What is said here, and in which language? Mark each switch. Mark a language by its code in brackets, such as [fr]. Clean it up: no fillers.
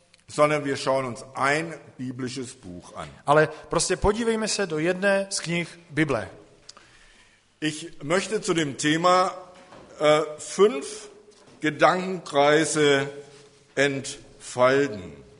[de] Sondern wir schauen uns ein biblisches Buch an. [cs] Ale prostě podívejme se do jedné z knih Bible. [de] Ich möchte zu dem Thema fünf Gedankenkreise entfalten.